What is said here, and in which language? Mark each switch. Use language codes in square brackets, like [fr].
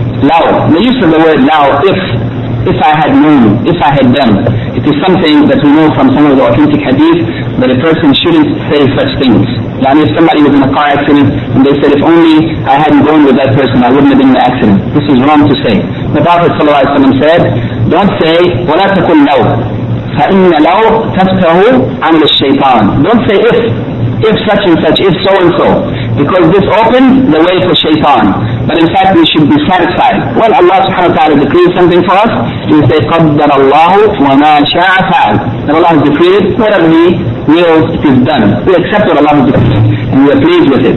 [en] لَوْ, the use of the word لَوْ, if I had known, if I had done. It is something that we know from some of the authentic hadith that a person shouldn't say such things. Like if somebody was in a car accident and they said, if only I hadn't gone with that person, I wouldn't have been in the accident. This is wrong to say. The Prophet ﷺ said, don't say, [ar] وَلَا تَكُلْ لَوْ فَإِنَّ لَوْ تَفْتَهُ عَنْ الشَّيْطَانِ. [en] Don't say if such and such, if so and so, because this opened the way for shaitan. But in fact, we should be satisfied. Well, Allah subhanahu wa ta'ala decreed something for us, he will say, [ar] قَدَّرَ اللَّهُ وَمَا شَاءَ فَعَلْ. [en] That Allah has decreed, whatever he wills, it is done. We accept what Allah has decreed, and we are pleased with it.